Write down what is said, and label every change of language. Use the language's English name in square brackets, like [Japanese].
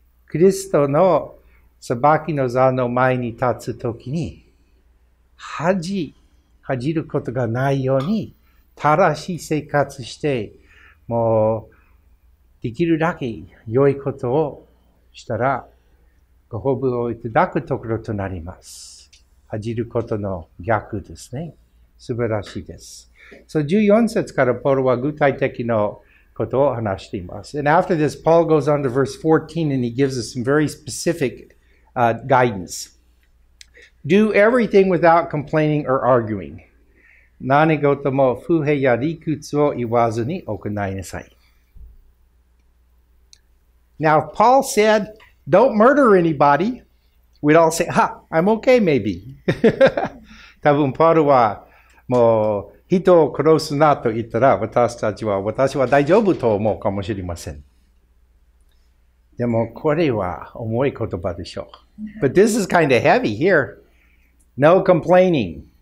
[Japanese] キリストの裁きの座の前に立つときに恥じることがないように正しい生活して、もうできるだけ良いことをしたら、ご褒美をいただくところとなります。恥じることの逆ですね。素晴らしいです。 So 14節からポールは具体的なことを話しています。 [English] And after this, Paul goes on to verse 14 and he gives us some very specific guidance. Do everything without complaining or arguing. [Japanese] 何事も不平や理屈を言わずに行いなさい。 [English] Now, if Paul said, don't murder anybody, we'd all say, ha, I'm okay, maybe. [Japanese] 多分、パウロはもう人を殺すなと言ったら、私は大丈夫と思うかもしれません。でも、これは重い言葉でしょう。 [English] But this is kind of heavy here. No complaining.